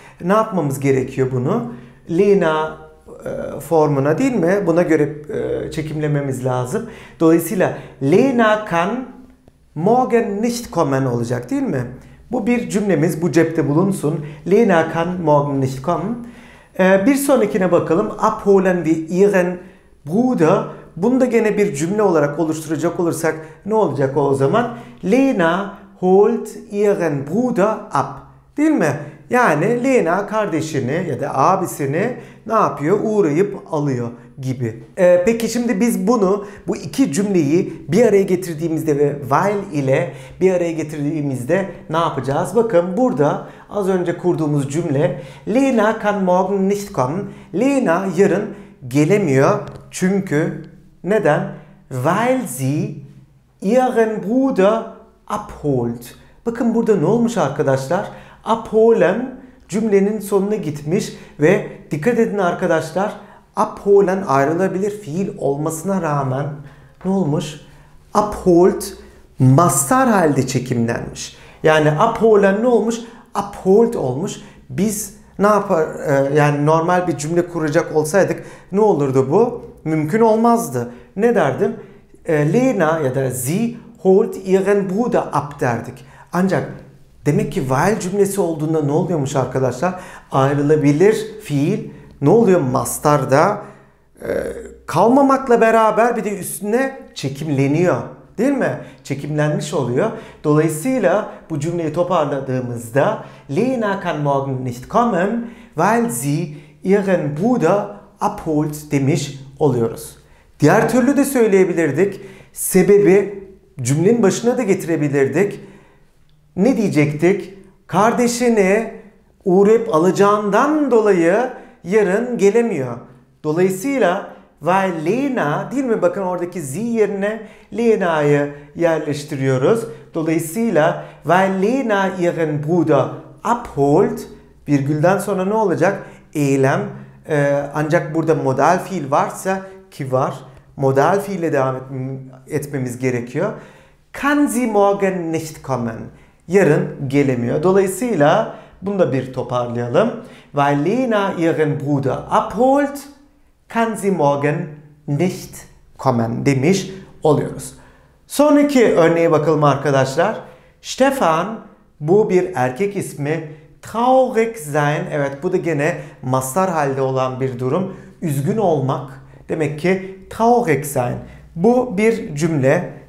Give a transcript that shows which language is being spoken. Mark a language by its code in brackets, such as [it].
[tr] Ne yapmamız gerekiyor bunu? Lena formuna değil mi? Buna göre çekimlememiz lazım. Dolayısıyla [de] Lena kann morgen nicht kommen [tr] olacak değil mi? Bu bir cümlemiz. Bu cepte bulunsun. [de] Lena kann morgen nicht kommen. [tr] Bir sonrakine bakalım. [de] Abholen wir ihren Bruder. [tr] Bunu da gene bir cümle olarak oluşturacak olursak ne olacak o zaman? [de] Lena holt ihren Bruder ab. [tr] Değil mi? Yani Lena kardeşini ya da abisini ne yapıyor? Uğrayıp alıyor gibi. Peki şimdi biz bunu, bu iki cümleyi bir araya getirdiğimizde ve while ile bir araya getirdiğimizde ne yapacağız? Bakın burada az önce kurduğumuz cümle [de] Lena kann morgen nicht kommen. [tr] Lena yarın gelemiyor. Çünkü neden? [de] Weil sie ihren Bruder abholt. [tr] Bakın burada ne olmuş arkadaşlar? Abholen cümlenin sonuna gitmiş ve dikkat edin arkadaşlar, abholen ayrılabilir fiil olmasına rağmen ne olmuş? Abholt mastar halde çekimlenmiş. Yani abholen ne olmuş? Abholt olmuş. Biz ne yapar yani normal bir cümle kuracak olsaydık ne olurdu bu? Mümkün olmazdı. Ne derdim? [de] Lena [tr] ya da [de] sie holt ihren Bruder ab [tr] derdik. Ancak demek ki while cümlesi olduğunda ne oluyormuş arkadaşlar? Ayrılabilir fiil ne oluyor mastarda? Kalmamakla beraber bir de üstüne çekimleniyor. Değil mi? Çekimlenmiş oluyor. Dolayısıyla bu cümleyi toparladığımızda [de] Lena kann morgen nicht kommen, weil sie ihren Bruder abholt [tr] demiş oluyoruz. Diğer türlü de söyleyebilirdik. Sebebi cümlenin başına da getirebilirdik. Ne diyecektik? Kardeşini uğrayıp alacağından dolayı yarın gelemiyor. Dolayısıyla weil Lena değil mi? Bakın oradaki Z yerine Lena'yı yerleştiriyoruz. Dolayısıyla [de] weil Lena ihren Bruder abholt [tr] virgülden sonra ne olacak? Eylem. Ancak burada modal fiil varsa ki var. Modal fiille devam etmemiz gerekiyor. [de] Kann sie morgen nicht kommen? [tr] Yarın gelemiyor. Dolayısıyla bunu da bir toparlayalım. [de] Weil Lena ihren Bruder abholt, kann sie morgen nicht kommen [tr] demiş oluyoruz. Sonraki örneğe bakalım arkadaşlar. Stefan, bu bir erkek ismi. Traurig sein, evet bu da gene mastar halde olan bir durum. Üzgün olmak demek ki traurig sein. Bu bir cümle.